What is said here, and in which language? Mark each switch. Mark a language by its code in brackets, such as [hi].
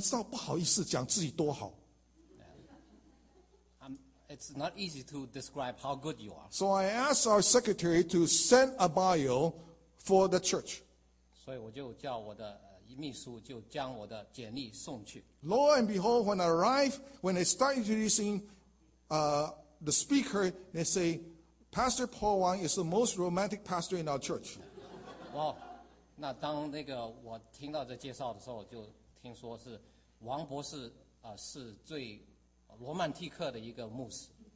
[zh] 有一次我是在一个夏令会里面，就说要介绍一个简历。那你知道不好意思讲自己多好。 [en] It's not easy to describe how good you are. So I asked our secretary to send a bio for the church. [zh] 所以我就叫我的 [en] Lo and behold, when I arrive, when they start introducing the speaker, they say, Pastor Paul Wang is the most romantic pastor in our church. [zh] Wow, 那当那个我听到这介绍的时候，就听说是王博士是最罗曼蒂克的一个牧师。